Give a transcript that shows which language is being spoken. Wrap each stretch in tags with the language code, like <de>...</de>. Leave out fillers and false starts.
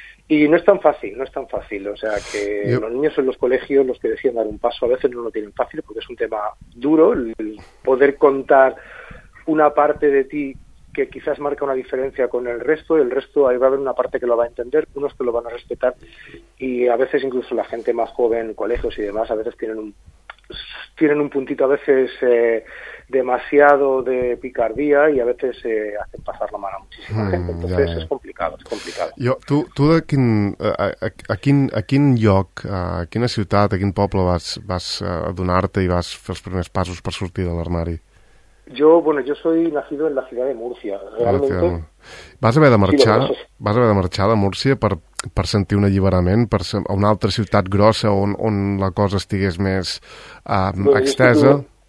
<es>Y no es tan fácil, no es tan fácil, o sea que los niños en los colegios, los que deciden dar un paso, a veces no lo tienen fácil porque es un tema duro, el poder contar una parte de ti que quizás marca una diferencia con el resto ahí va a haber una parte que lo va a entender, unos que lo van a respetar, y a veces incluso la gente más joven, colegios y demás, a veces tienen un puntito a veces demasiado de picardía y a veces hacen pasar la mano a muchísima gente. Entonces es complicado, es complicado.</es> <ca>Tu de quin, a quin lloc, a quina ciutat, a quin poble vas adonar-te i vas fer els primers passos per sortir de l'armari?</ca> <es>Jo soy nacido en la ciudad de Murcia, realmente.</es> <ca>Vas haver de marxar de Múrcia per sentir un alliberament, per a una altra ciutat grossa on la cosa estigués més extensa?</ca>